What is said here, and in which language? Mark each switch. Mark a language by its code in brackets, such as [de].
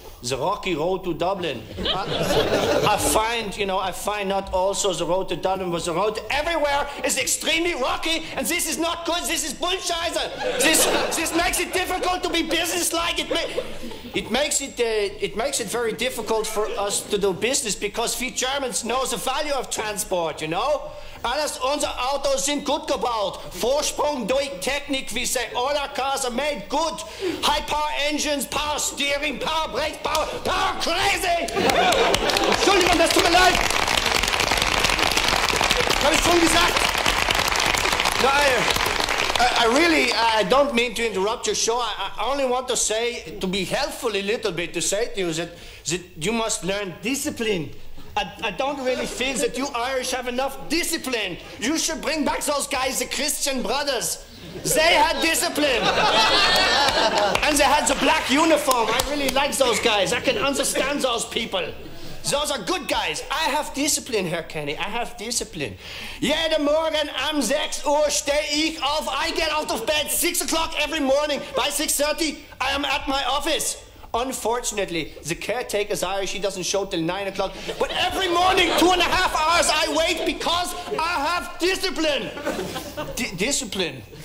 [en] The rocky road to Dublin. I find not also the road to Dublin, but the road to everywhere is extremely rocky, and this is not good. This is bullshizer. This makes it difficult to be businesslike. It makes it very difficult for us to do business, because we Germans know the value of transport, you know? [de] Alles unsere Autos sind gut gebaut. Vorsprung durch Technik, [en] we say. All our cars are made good. High power engines, power steering, power brakes, power crazy! [de] Entschuldigung, das tut mir leid. Ich habe es schon gesagt. Nein. [en] I don't mean to interrupt your show. I only want to say, to be helpful a little bit, to say to you that you must learn discipline. I don't really feel that you Irish have enough discipline. You should bring back those guys, the Christian Brothers. They had discipline. And they had the black uniform. I really like those guys. I can understand those people. Those are good guys. I have discipline, Herr Kenny. I have discipline. [de] Jeden Morgen am 6 Uhr stehe ich auf. [en] I get out of bed 6 o'clock every morning. By 6:30, I am at my office. Unfortunately, the caretaker is Irish. He doesn't show till 9 o'clock. But every morning, 2.5 hours, I wait because I have discipline. Discipline.